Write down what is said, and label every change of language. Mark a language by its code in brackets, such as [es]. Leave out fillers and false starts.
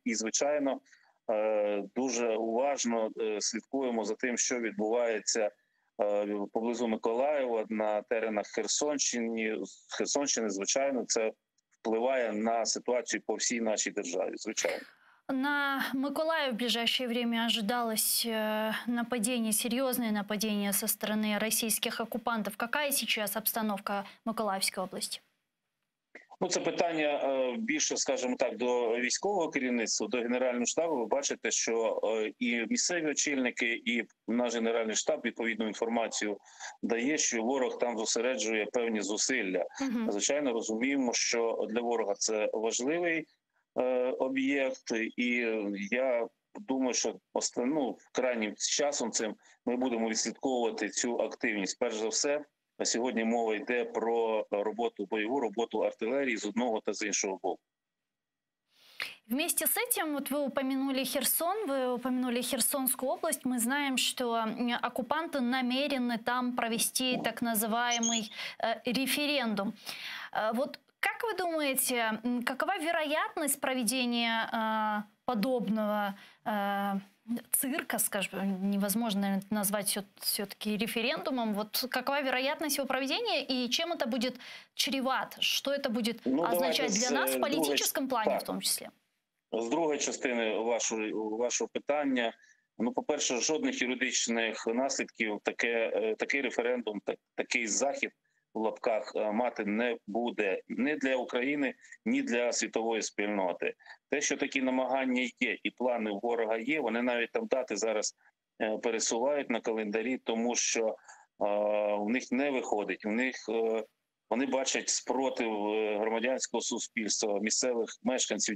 [uk] І, звичайно, дуже уважно слідкуємо за тим, що відбувається поблизу Миколаєва, на теренах Херсонщини. Херсонщини, звичайно, це впливає на ситуацію по всій нашій державі, звичайно. [ru] На Миколаїв в ближайшее время ожидалось нападение, серьезное нападение со стороны российских оккупантов. Какая сейчас обстановка Миколаївської області? [uk] Ну, це питання більше, скажімо так, до військового керівництва, до Генерального штабу. Ви бачите, що і місцеві очільники, і наш Генеральний штаб відповідну інформацію дає, що ворог там зосереджує певні зусилля. Звичайно, розуміємо, що для ворога це важливий об'єкт, і я думаю, що крайнім часом цим ми будемо відслідковувати цю активність. Перш за все, сьогодні мова йде про роботу бойову, роботу артилерії з одного та з іншого боку. [ru] Вместе с этим, вот вы упомянули Херсон, вы упомянули Херсонскую область. Мы знаем, что оккупанты намерены там провести так называемый референдум. Вот как вы думаете, какова вероятность проведения подобного цирка, скажем, невозможно назвать все-таки референдумом, вот какова вероятность его проведения и чем это будет чреват, что это будет означать для нас в политическом плане в том числе? [uk] З другої частини вашого питання, ну, по-перше, жодних юридичних наслідків такий референдум, такий захід в лапках мати не буде ні для України, ні для світової спільноти. Те, що такі намагання є і плани ворога є, вони навіть там дати зараз пересувають на календарі, тому що в них не виходить, вони бачать спротив громадянського суспільства, місцевих мешканців.